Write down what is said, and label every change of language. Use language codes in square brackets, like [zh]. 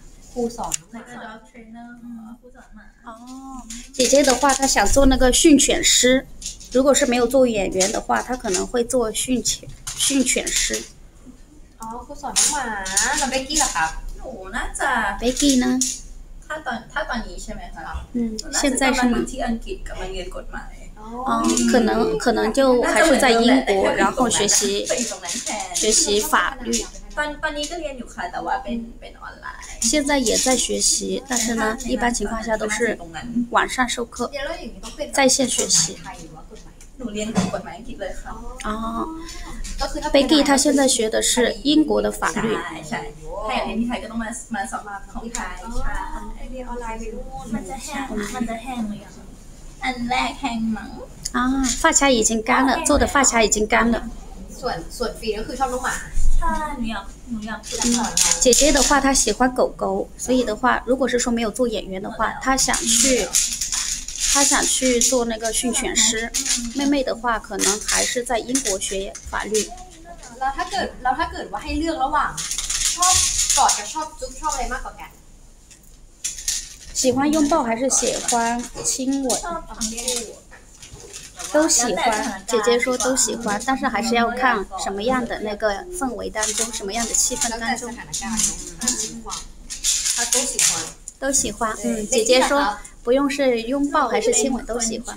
[th] ครูสอนหมาครูสอนหมาครูสอนหมา [zh] อ๋อ姐姐的话她想做那个训犬师如果是没有做演员的话她可能会做训犬师 [th] อ๋อครูสอนหมาแล้วเบกกี้ล่ะคะ หนูน่าจะ เบกกี้นะ ถ้าตอนนี้ใช่ไหมคะ เรา ที่อังกฤษกำลังเรียนกฎหมาย [zh] คือ就还是在英国然后学习法律 [th] ตอนนี้ก็เรียนอยู่ค่ะแต่ว่าเป็นออนไลน์ [zh] 现在也在学习但是呢一般情况下都是晚上授课在线学习 [th] หนูเรีย นกฎหมายอัง กฤษเลยค่ะอ๋อ ก็คือเบกกี้เธอ [zh] 现在学的是英国的法律 [th] ใช่ถ้าอย่างที่ไทยก็ต้องมาสอบของไทยใช่ไอเดีย ออนไลน์ไปนู่นมันจะแห้งเลยอ่ะอันแรกแห้งมั้ [zh] งอ๋อ发卡已经干了做的发卡已经干了 [th] ส่วนฟีก็คือชอบลูกหมา หนูอยาก [zh] เจเจ的话她喜欢狗狗所以的话如果是说没有做演员的话她想去他想去做那个训犬师妹妹的话可能还是在英国学法律 [th] แล้วถ้าเกิดว่าให้เลือกระหว่างชอบกอดกับชอบจุ๊บชอบอะไรมากกว่ากัน [zh] 喜欢拥抱还是喜欢亲吻都喜欢姐姐说都喜欢但是还是要看什么样的那个氛围当中什么样的气氛当中他都喜欢都喜欢姐姐说不用是拥抱还是亲吻都喜欢